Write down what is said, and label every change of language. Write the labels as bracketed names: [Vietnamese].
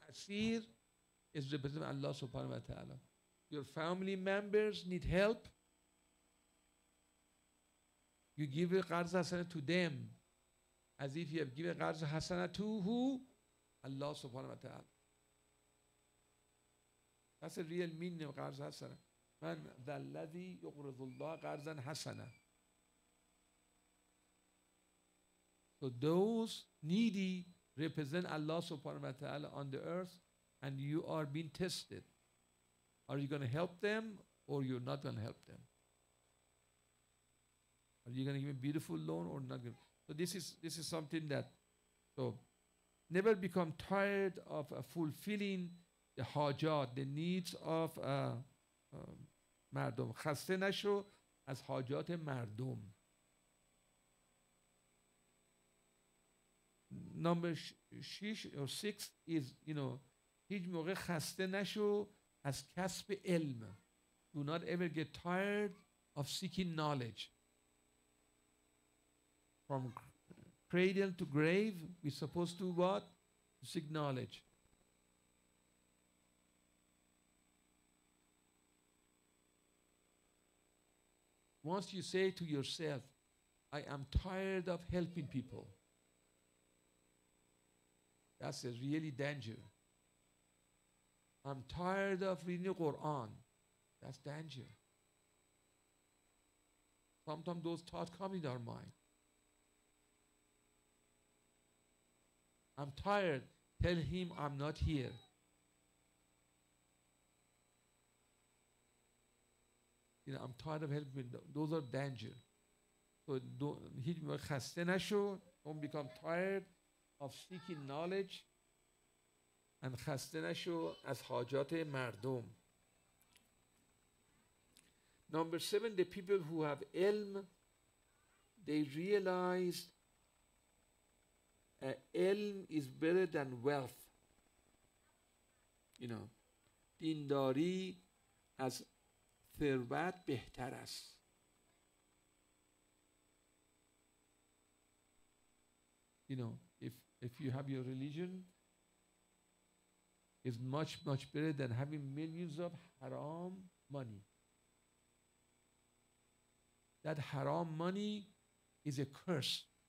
[English] Asir is representative of Allah subhanahu wa ta'ala. Your family members need help. You give a qarz hasana to them. As if you have given a qarz hasana to who? Allah subhanahu wa ta'ala. That's a real meaning of قرض حسنة. [Arabic] من ذا الذي يقرض الله قرضا حسنة. [English] So those needy represent Allah subhanahu wa ta'ala on the earth, and you are being tested. Are you going to help them or you're not going to help them? Are you going to give a beautiful loan or not? So this is something that, so never become tired of fulfilling the hajat, the needs of mardom. [Persian] خسته نشو از حاجات مردم. [English] Number 6 is, you know, [Persian] هیچ موقع خسته نشو از کسب علم. [English] Do not ever get tired of seeking knowledge. From cradle to grave, we're supposed to what? Seek knowledge. Once you say to yourself, I am tired of helping people, that's a really danger. I'm tired of reading the Quran, that's danger. Sometimes those thoughts come in our mind. I'm tired, tell him I'm not here. You know, I'm tired of helping. Those are danger. So don't become tired of seeking knowledge. [Persian] And خسته نشو از حاجات مردم. [English] Number 7, the people who have ilm, they realize ilm is better than wealth. You know, [Persian] دینداری از ثروت بهتر است. [English] You know, if you have your religion, is much much better than having millions of haram money. That haram money is a curse.